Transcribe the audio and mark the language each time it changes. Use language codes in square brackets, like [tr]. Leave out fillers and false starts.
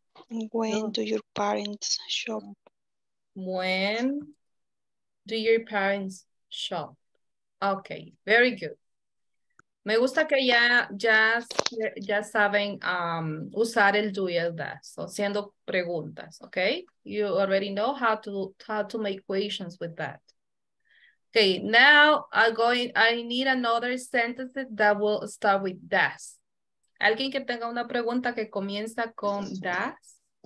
[en] When do your parents shop? When do your parents shop? Okay, very good. [es] Me gusta que ya saben usar el do y el does, so haciendo preguntas, okay? [en] You already know how to make questions with that. Okay, now I need another sentence that will start with does. [es] Alguien que tenga una pregunta que comienza con does.